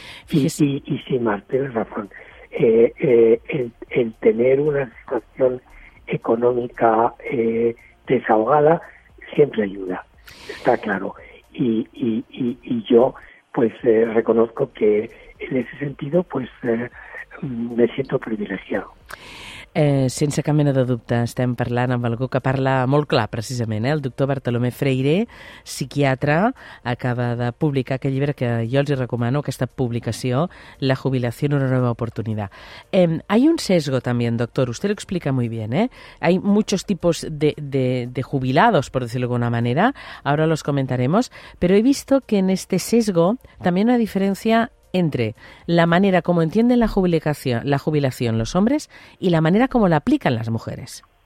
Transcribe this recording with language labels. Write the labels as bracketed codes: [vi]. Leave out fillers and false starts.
[es] Y sin más, tienes razón. El tener una situación económica desahogada siempre ayuda, está claro. Y yo, pues, reconozco que en ese sentido, pues, me siento privilegiado. [ca] Sense cap mena de dubte, estem parlant amb algú que parla molt clar, precisament, el doctor Bartolomé Freire, psiquiatre, acaba de publicar aquest llibre que jo els recomano, aquesta publicació, La jubilació, una nova oportunitat. [es] Hay un sesgo también, doctor, usted lo explica muy bien, ¿eh? Hay muchos tipos de jubilados, por decirlo de alguna manera, ahora los comentaremos, pero he visto que en este sesgo también hay una diferencia entre la manera como entienden la jubilación los hombres y la manera como la aplican las mujeres.